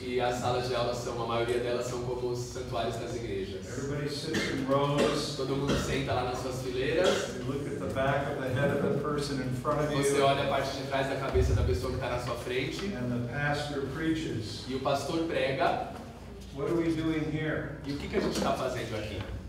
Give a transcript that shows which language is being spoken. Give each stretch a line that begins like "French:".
Portuguese: E as salas de aula são, a maioria delas são como os santuários das igrejas.
English: Everybody sits in rows.
Portuguese: Todo mundo senta lá nas suas fileiras.
English: You look at the back of the head of the person in front of you.
Portuguese: Você olha a parte de trás da cabeça da pessoa que está na sua frente.
English: And the pastor preaches.
Portuguese: E o pastor prega.
English: What are we doing here?
Portuguese: E o que que a gente está fazendo aqui?